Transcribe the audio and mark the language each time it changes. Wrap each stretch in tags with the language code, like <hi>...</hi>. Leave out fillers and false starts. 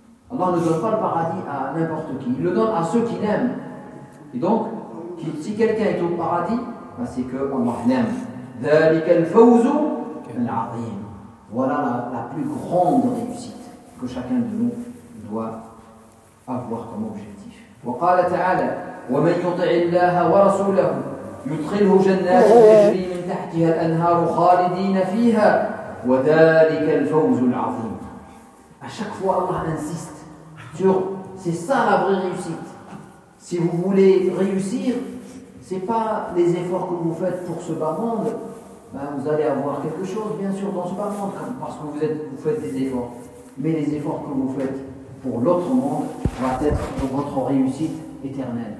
<fr>Allah ne donne pas le paradis à n'importe qui, il le donne à ceux qui l'aiment. Et donc, si quelqu'un est au paradis, ben c'est que Allah l'aime.</fr> <ar>ذَلِكَ الْفَوْزُ الْعَظِيمُ.</ar> <fr>Voilà la plus grande réussite que chacun de nous doit avoir comme objet.</fr> <ar>وقال تعالى ومن يطع الله ورسوله يدخله جنات تجري من تحتها الانهار خالدين فيها وذلك الفوز العظيم.</ar> <fr>À chaque fois Allah insiste sur c'est ça la vraie réussite. Si vous voulez réussir, c'est pas les efforts que vous faites pour ce bas monde, ben vous allez avoir quelque chose bien sûr dans ce bas monde parce que vous faites des efforts, mais les efforts que vous faites pour l'autre monde va être votre réussite éternelle.</fr>